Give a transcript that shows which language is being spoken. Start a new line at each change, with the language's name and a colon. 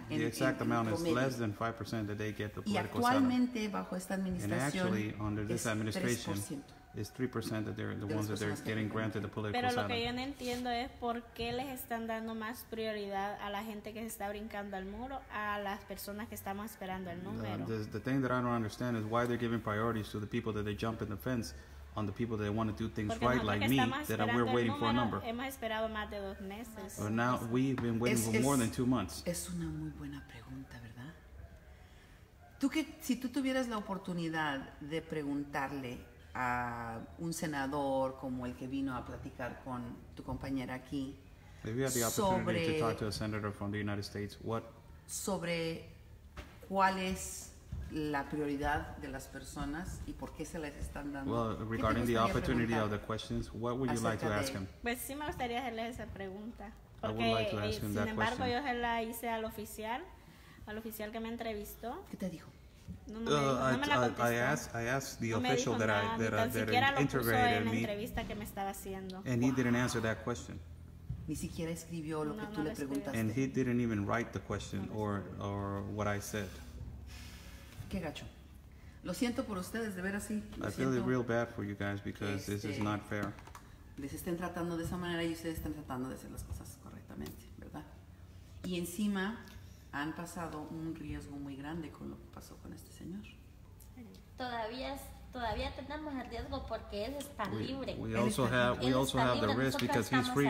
English: The exact amount is less than 5% that they get the political asylum.
Spanish: Y actualmente bajo esta administración,
English: and actually under this administration, it's 3% that they're the ones that they're getting granted the political asylum.
Spanish: lo que yo no entiendo es por qué les están dando más prioridad a la gente que se está brincando al muro a las personas que estamos esperando el número.
English: The thing that I don't understand is why they're giving priorities to the people that they jump in the fence on the people that want to do things
Spanish: porque
English: right, like me, that we're waiting
Spanish: número,
English: for a number.
Spanish: Hemos esperado más de dos meses.
English: But now we've been waiting for more than 2 months.
Spanish: Es una muy buena pregunta, ¿verdad? Tú que, si tú tuvieras la oportunidad de preguntarle a un senador como el que vino a platicar con tu compañera aquí sobre cuál es la prioridad de las personas y por qué se les están dando.
English: Well, regarding the opportunity of the questions, what would you like to ask him?
Spanish: Pues sí me gustaría hacerle esa pregunta.
English: I would like to ask him that
Spanish: embargo, Sin embargo, yo se la hice al oficial que me entrevistó. ¿Qué te dijo?
English: I asked the official that interviewed me.
Spanish: Que me estaba haciendo.
English: And he didn't answer that question.
Spanish: Ni siquiera escribió lo que tú le preguntaste.
English: And he didn't even write the question or what I said.
Spanish: Qué gacho. Lo siento por ustedes, de veras sí.
English: I feel it real bad for you guys because this is not fair.
Spanish: Les estén tratando de esa manera y ustedes están tratando de hacer las cosas correctamente, ¿verdad? Y encima han pasado un riesgo muy grande con lo que pasó con este señor. Todavía tenemos el riesgo porque él está libre.
English: We also have the risk because he's free.